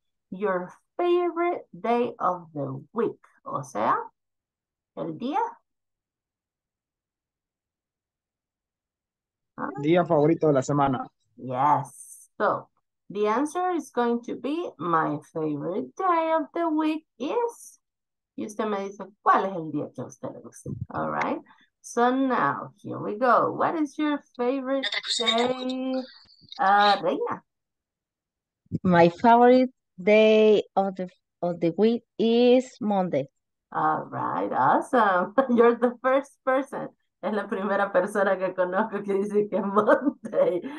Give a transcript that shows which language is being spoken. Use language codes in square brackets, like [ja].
[en] Your favorite day of the week. [es] O sea, el día. Día favorito de la semana. [en] Yes. So the answer is going to be my favorite day of the week is. [es] Y usted me dice, ¿cuál es el día que a usted le gusta? [en] All right. So now, here we go. What is your favorite day, Reina? My favorite day of the week is Monday. All right. Awesome. You're the first person. [es] Es la primera persona que conozco que dice que Monday.